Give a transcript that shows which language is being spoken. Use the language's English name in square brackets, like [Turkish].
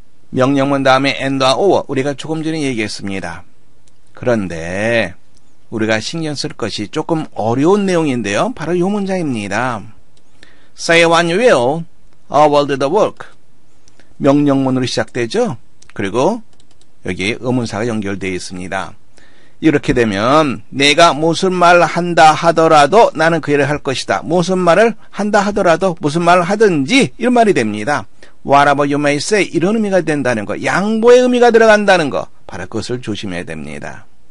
[Korean] 명령문 다음에 and와 or 우리가 조금 전에 얘기했습니다. 그런데 우리가 신경 쓸 것이 조금 어려운 내용인데요. 바로 이 문장입니다. [English] Say what you will, I will do the work. [Korean] 명령문으로 시작되죠. 그리고 여기에 의문사가 연결되어 있습니다. 이렇게 되면 내가 무슨 말을 한다 하더라도 나는 그 일을 할 것이다. 무슨 말을 한다 하더라도 무슨 말을 하든지 이런 말이 됩니다. [English] Whatever you may say [Korean] 이런 의미가 된다는 거, 양보의 의미가 들어간다는 거, 바로 그것을 조심해야 됩니다.